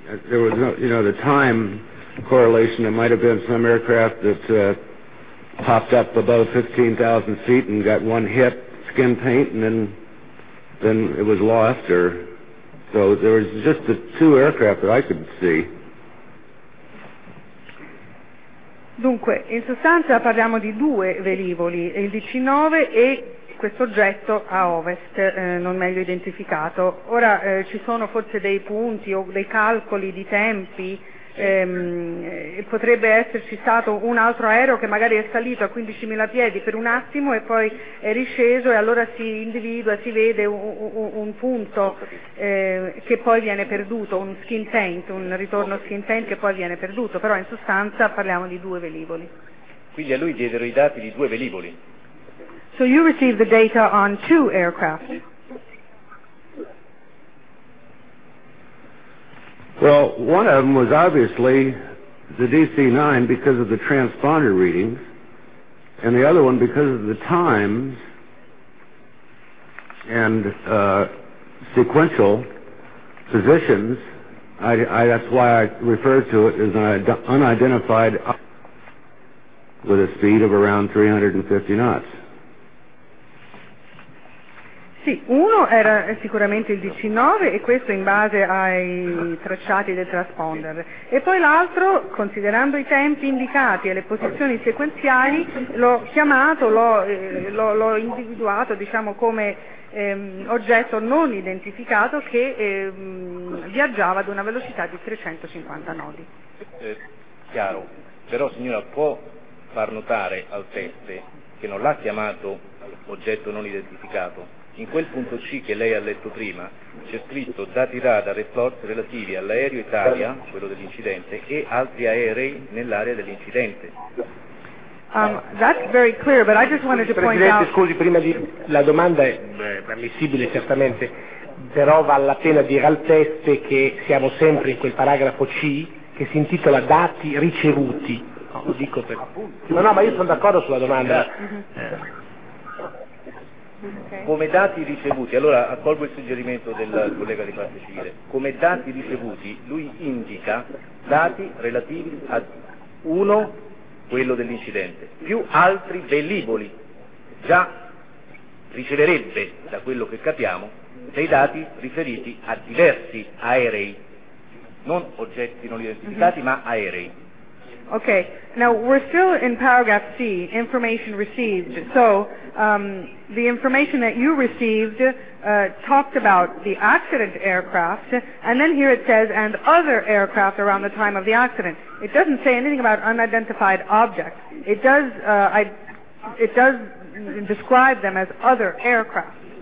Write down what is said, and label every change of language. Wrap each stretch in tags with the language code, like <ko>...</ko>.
<en>There was no, you know, the time correlation. It might have been some aircraft that popped up above 15,000 feet and got one hit. Skin paint, and then it was lost, or so there was just the two aircraft that I could see.</en> <it>Dunque, in sostanza parliamo di due velivoli, il DC-9 e questo oggetto a ovest, non meglio identificato. Ora ci sono forse dei punti o dei calcoli di tempi. Potrebbe esserci stato un altro aereo che magari è salito a 15.000 piedi per un attimo e poi è risceso, e allora si individua, si vede un punto che poi viene perduto, un skin paint, un ritorno skin paint che poi viene perduto, però in sostanza parliamo di due velivoli. Quindi a lui diedero i dati di due velivoli.</it> <en>So you received the data on two aircraft. Well, one of them was obviously the DC-9 because of the transponder readings, and the other one because of the times and sequential positions. That's why I refer to it as an unidentified with a speed of around 350 knots.</en> <it>Sì, uno era sicuramente il DC-9 e questo in base ai tracciati del transponder, e poi l'altro, considerando i tempi indicati e le posizioni sequenziali, l'ho chiamato, l'ho individuato, diciamo, come oggetto non identificato che viaggiava ad una velocità di 350 nodi. Chiaro, però signora può far notare al teste che non l'ha chiamato oggetto non identificato. In quel punto C che lei ha letto prima c'è scritto dati radar report relativi all'aereo Italia, quello dell'incidente, e altri aerei nell'area dell'incidente.</it> <en>That's very clear, but I just wanted to point out...</en> <it>Presidente, scusi, prima di... la domanda è ammissibile certamente, però vale la pena dire al teste che siamo sempre in quel paragrafo C che si intitola dati ricevuti. No, lo dico per... No, ma io sono d'accordo sulla domanda. Okay. Come dati ricevuti, allora accolgo il suggerimento del collega di parte civile, come dati ricevuti lui indica dati relativi a uno, quello dell'incidente, più altri velivoli già riceverebbe, da quello che capiamo, dei dati riferiti a diversi aerei, non oggetti non identificati, ma aerei.</it> <en>Okay, now we're still in paragraph C, information received. So the information that you received talked about the accident aircraft, and then here it says, and other aircraft around the time of the accident. It doesn't say anything about unidentified objects. It does describe them as other aircraft.</en>